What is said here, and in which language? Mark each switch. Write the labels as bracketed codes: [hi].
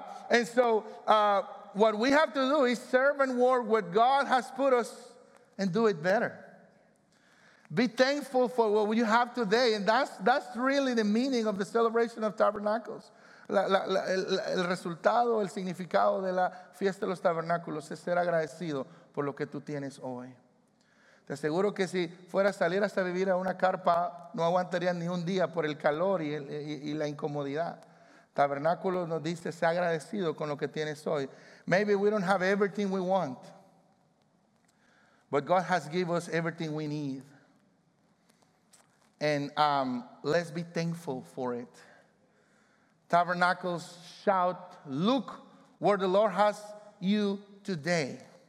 [en] And so, what we have to do is serve and work what God has put us and do it better. Be thankful for what you have today. And that's really the meaning of the celebration of tabernacles. [es] El resultado, el significado de la fiesta de los tabernáculos es ser agradecido por lo que tú tienes hoy. Te aseguro que si fuera a salir hasta vivir a una carpa, no aguantaría ni un día por el calor y la incomodidad. Tabernáculo nos dice, sea agradecido con lo que tienes hoy. [en] Maybe we don't have everything we want, but God has given us everything we need. And let's be thankful for it. Tabernacles, shout, look where the Lord has you today.